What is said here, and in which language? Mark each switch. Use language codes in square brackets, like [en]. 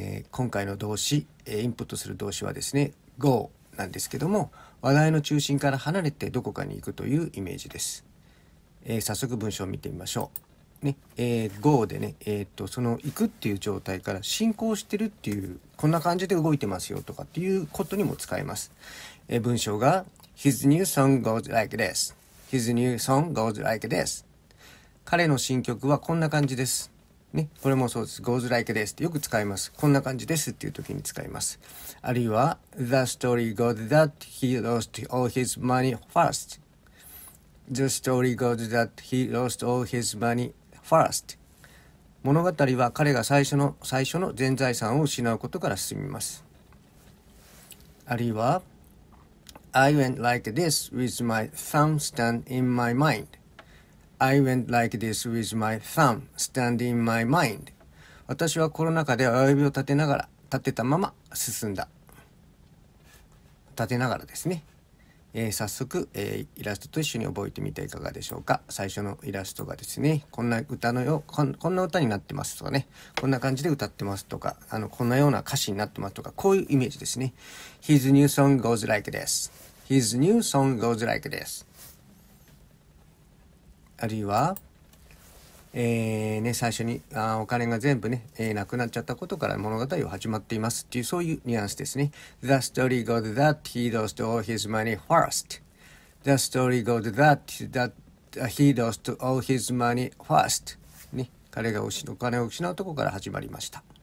[ja] 今回の動詞、インプットする動詞はですね GO なんですけども、話題の中心から離れてどこかに行くというイメージです、早速文章を見てみましょう、ね、Go でね、その行くっていう状態から進行してるっていう、こんな感じで動いてますよとかっていうことにも使えます、文章が [en] His new song goes like this. His new song goes like this. [ja] 彼の新曲はこんな感じです、ね、これもそうです。 [en] Goes like this [ja] ってよく使います。こんな感じですっていう時に使います。あるいは [en] The story goes that he lost all his money first. The story goes that he lost all his money first. [ja] 物語は彼が最初の全財産を失うことから進みます。あるいは [en] I went like this with my thumb stand in my mindI went like this with my thumb standing in my mind. [ja] 私はコロナ禍で親指を立てたまま進んだ。立てながらですね。早速、イラストと一緒に覚えてみていかがでしょうか。最初のイラストがですね、こんな歌になってますとかね、こんな感じで歌ってますとか、こんなような歌詞になってますとか、こういうイメージですね。 [en] His new song goes like this. His new song goes like this. [ja] あるいは、最初にお金が全部ね、なくなっちゃったことから物語を始まっていますっていう、そういうニュアンスですね。 [en] The story goes that he lost all his money first. The story goes that he lost all his money first. [ja] ね、彼がお金を失うとこから始まりました。